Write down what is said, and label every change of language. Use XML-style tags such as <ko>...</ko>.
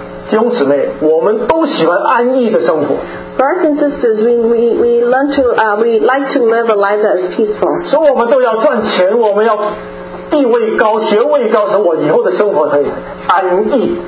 <zh>弟兄姊妹，我们都喜欢安逸的生活。</zh> <en>Brothers and sisters, we learn to we like to live a life that is peaceful.</en> <zh>所以我们都要赚钱，我们要地位高，学位高，使我以后的生活可以安逸。</zh>